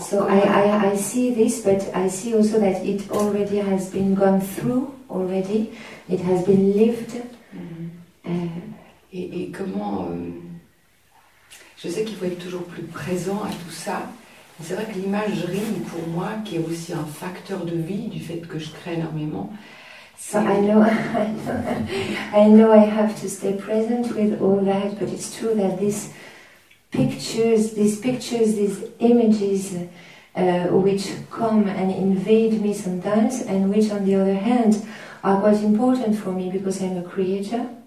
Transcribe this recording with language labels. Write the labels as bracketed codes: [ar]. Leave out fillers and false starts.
[en] so I see this, but I see also that it already has been gone through already. It has been lived. [fr] Et comment je sais qu'il faut être toujours plus présent à tout ça. C'est vrai que l'imagerie, pour moi, qui est aussi un facteur de vie du fait que je crée énormément. C'est... [en] So I know I have to stay present with all that, but it's true that these pictures, these images, which come and invade me sometimes, and which, on the other hand, are quite important for me because I'm a creator.